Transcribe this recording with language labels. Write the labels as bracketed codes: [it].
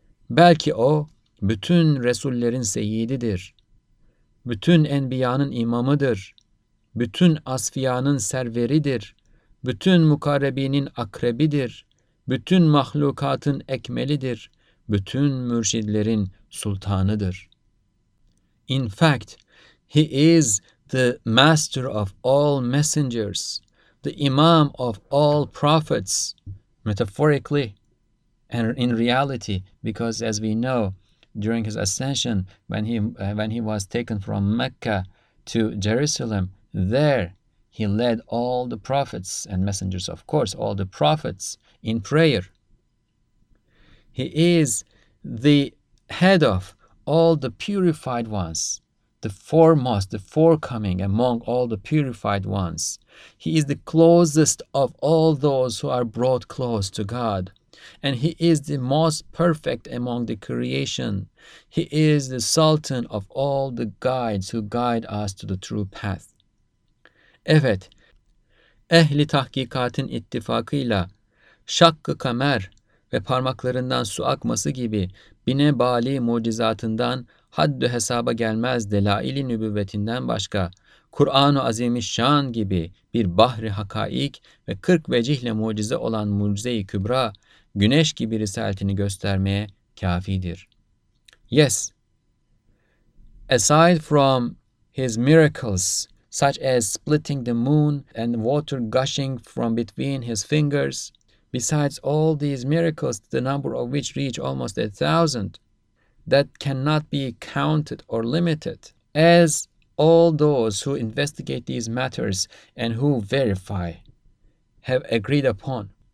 [tr] Belki o bütün resullerin seyyididir. Bütün enbiyanın imamıdır. Bütün asfiyanın serveridir. Bütün mukarrebinin akrebidir. Bütün mahlukatın ekmelidir. Bütün mürşidlerin sultanıdır. [en] In fact, he is the master of all messengers, the imam of all prophets, metaphorically and in reality, because as we know, during his ascension, when he was taken from Mecca to Jerusalem, there he led all the prophets and messengers, of course, all the prophets in prayer. He is the head of all the purified ones, the foremost, the forecoming among all the purified ones. He is the closest of all those who are brought close to God. And he is the most perfect among the creation. He is the sultan of all the guides who guide us to the true path. [tr] Evet, ehli tahkikatın ittifakıyla şakkı kamer ve parmaklarından su akması gibi bine bali mucizatından haddü hesaba gelmez delaili nübüvvetinden başka Kur'an-ı Azimüşşan gibi bir bahri hakaik ve 40 vecihle mucize olan mucize-i kübra güneş gibi risaletini göstermeye kafidir. [en] Yes, aside from his miracles, such as splitting the moon and water gushing from between his fingers, besides all these miracles, the number of which reach almost 1,000, that cannot be counted or limited, as all those who investigate these matters and who verify have agreed upon.